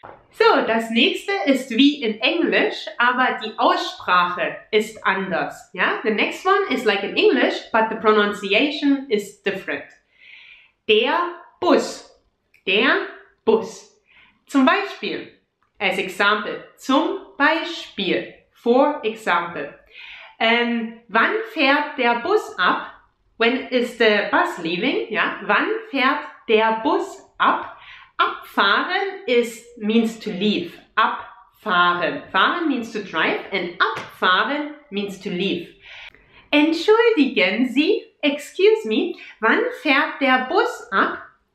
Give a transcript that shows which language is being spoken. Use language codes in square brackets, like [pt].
[de] So, das nächste ist wie in Englisch, aber die Aussprache ist anders. Ja? [en] The next one is like in English, but the pronunciation is different. [de] Der Bus. Der Bus. Zum Beispiel, [en] as example, [de] zum Beispiel, [en] for example. [de] Wann fährt der Bus ab? [en] When is the bus leaving? [de] Ja? Wann fährt der Bus ab? Abfahren [en] is means to leave. [de] Abfahren. [en] Fahren means to drive and abfahren means to leave. [de] Entschuldigen Sie, [en] excuse me, [de] wann fährt der Bus ab?